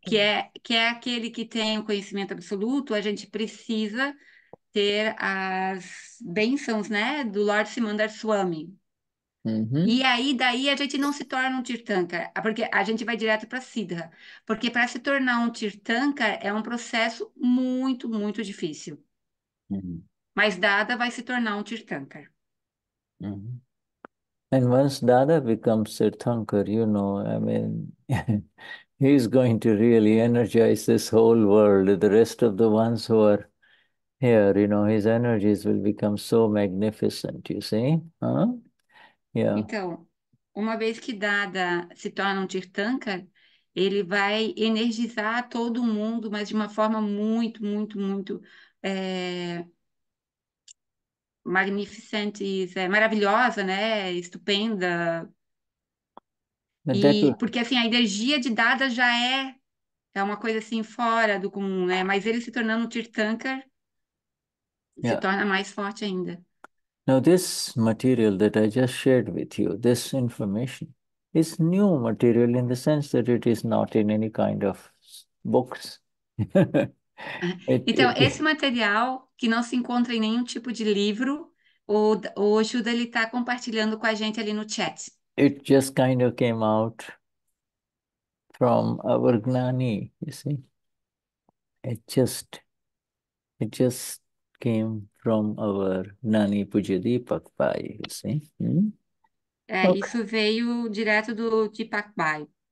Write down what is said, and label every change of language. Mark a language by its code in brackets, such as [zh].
[pt] Que é aquele que tem o conhecimento absoluto, a gente precisa ter as bênçãos, né, do Lord Simandar Swami. E aí, daí, a gente não se torna um Tirthankar, porque a gente vai direto para Siddha. Porque para se tornar um Tirthankar é um processo muito, muito difícil. Mas Dada vai se tornar um Tirthankar. [en] And once Dada becomes Tirthankar, you know, I mean, he is going to really energize this whole world. The rest of the ones who are here, you know, his energies will become so magnificent, you see? [pt] Então, uma vez que Dada se torna um Tirthankar, ele vai energizar todo mundo, mas de uma forma muito, muito, muito magnificente, maravilhosa, né? Estupenda. E porque assim, a energia de Dada já é uma coisa assim fora do comum, né? Mas ele se tornando um Tirthankar se torna mais forte ainda. [en] Now, this material that I just shared with you, this information, is new material in the sense that it is not in any kind of books. [pt] Então, esse material que não se encontra em nenhum tipo de livro, o Judah ele está compartilhando com a gente ali no chat. [en] It just kind of came out from our Gnani, you see. It just came from our Gnani Pujadipak Bhai, you see. [pt] É, isso veio direto do Deepak Bhai.